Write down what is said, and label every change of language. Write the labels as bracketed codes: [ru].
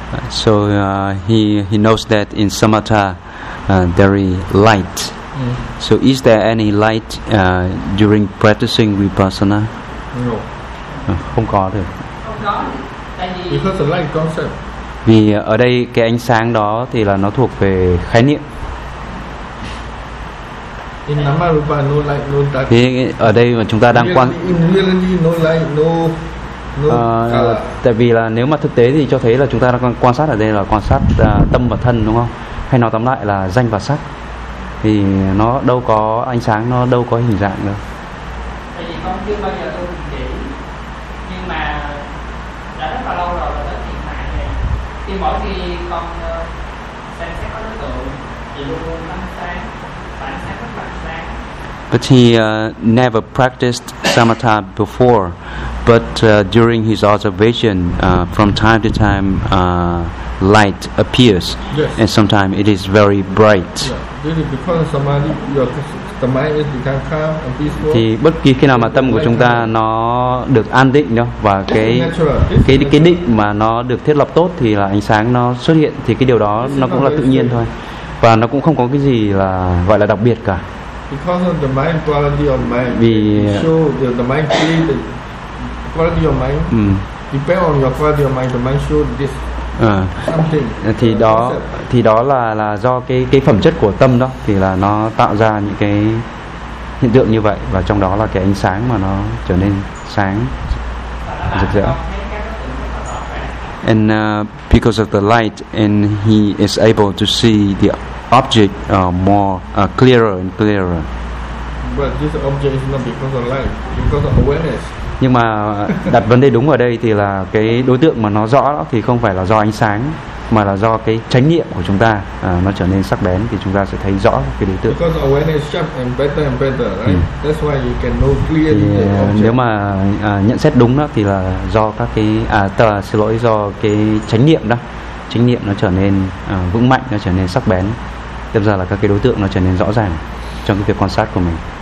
[en] So he knows that in samatha there is light. So is there any light during practicing vipassana? No. [vi] Không có được. [en] Because the light concept. [vi] Vì ở đây cái ánh sáng đó thì là nó thuộc về khái niệm. [en] In nama rupa no light no dark. [vi] Thì ở đây mà chúng ta đang quan. [en] In reality no light no. [vi] Tại vì là nếu mà thực tế thì cho thấy là chúng ta đang quan sát ở đây là quan sát tâm và thân, đúng không? Hay nói tóm lại là danh và sắc, thì nó đâu có ánh sáng, nó đâu có hình dạng đâu. Tại vì con chưa bao giờ tu thiền định, nhưng mà đã rất là lâu rồi là tới hiện tại này, thì mỗi khi con xem xét có đối tượng thì luôn luôn ánh sáng, phản sáng rất là sáng. [en] But he never practiced samatha before, but during his observation, from time to time, light appears. Yes. And sometimes it is very bright. Yeah. This is because samadhi, the mind is becoming calm and peaceful. [vi] Thì bất kỳ khi nào mà tâm của chúng ta nó được an định nhá, và cái định mà nó được thiết lập tốt, thì là ánh sáng nó xuất hiện, thì cái điều đó nó cũng là tự nhiên thôi, và nó cũng không có cái gì là gọi là đặc biệt cả. [en] Because of the mind quality of mind, [vi] vì [en] show the mind create quality of mind. Depend on your quality of mind, the mind show this something. [vi] Thì đó concept. Thì đó là do cái phẩm chất của tâm đó, thì là nó tạo ra những cái hiện tượng như vậy, và trong đó là cái ánh sáng mà nó trở nên sáng rực rỡ. [en] And because of the light, and he is able to see the object more clearer and clearer. But this object is not because of light, because of awareness. [vi] Nhưng mà đặt vấn đề đúng ở đây thì là cái đối tượng mà nó rõ đó thì không phải là do ánh sáng, mà là do cái chánh niệm của chúng ta nó trở nên sắc bén, thì chúng ta sẽ thấy rõ cái đối tượng. [en] Because awareness is sharp and better and better, right? That's why you can know clearly the object. [vi] Nếu mà nhận xét đúng đó thì là do các cái do cái chánh niệm đó. Chánh niệm nó trở nên vững mạnh, nó trở nên sắc bén. Tiếp ra là các cái đối tượng nó trở nên rõ ràng trong cái việc quan sát của mình.